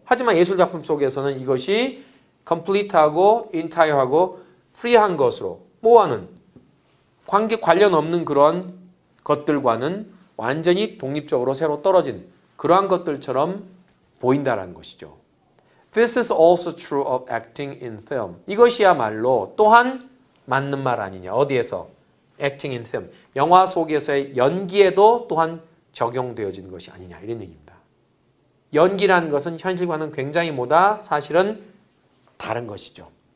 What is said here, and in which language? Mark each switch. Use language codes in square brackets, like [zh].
[ko] 하지만 예술 작품 속에서는 이것이 complete하고 entire하고 free한 것으로 뭐와는? 관계 관련 없는 그런 것들과는 완전히 독립적으로 새로 떨어진 그러한 것들처럼 보인다라는 것이죠. [en] This is also true of acting in film. [ko] 이것이야말로 또한 맞는 말 아니냐. 어디에서? [en] acting in film. [ko] 영화 속에서의 연기에도 또한 적용되어진 것이 아니냐. 이런 얘기입니다. 연기라는 것은 현실과는 굉장히 뭐다? 사실은 다른 것이죠.